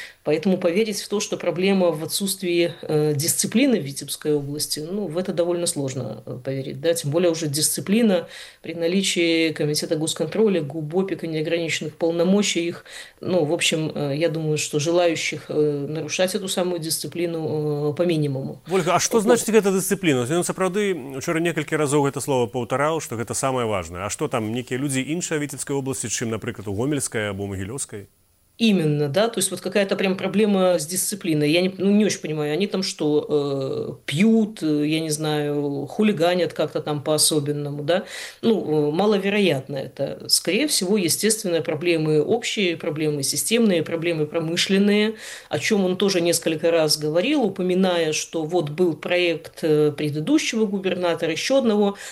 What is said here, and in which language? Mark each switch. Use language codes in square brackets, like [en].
[ru] Поэтому поверить в то, что проблема в отсутствии дисциплины в Витебской области, ну, в это довольно сложно поверить, да, тем более уже дисциплина при наличии комитета госконтроля, ГУБОПИК и неограниченных полномочий их, ну, в общем, я думаю, что желающих нарушать эту самую дисциплину по минимуму. Ольга, а что значит эта дисциплина? [be] Ён сапраўды учора некалькі разоў гэта слова паўтараў, што гэта самае важнае. А што там некія людзі іншыя віцебскай вобласці, чым, напрыклад, у гомельскай або магілёўскай? [ru] Именно, да, то есть вот какая-то прям проблема с дисциплиной. Я не, ну, не очень понимаю, они там что, пьют, я не знаю, хулиганят как-то там по-особенному, да? Ну, маловероятно это. Скорее всего, естественно, проблемы общие, проблемы системные, проблемы промышленные, о чем он тоже несколько раз говорил, упоминая, что вот был проект предыдущего губернатора, еще одного.